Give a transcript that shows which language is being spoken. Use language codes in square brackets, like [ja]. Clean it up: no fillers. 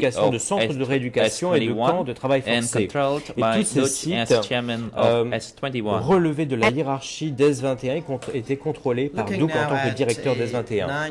[fr] de centres de rééducation et de camps de travail forcé. [en] And controlled by Duch as chairman of S21. [fr] Relevé de la hiérarchie d'S21 et était contrôlé par Duch en tant que directeur d'S21.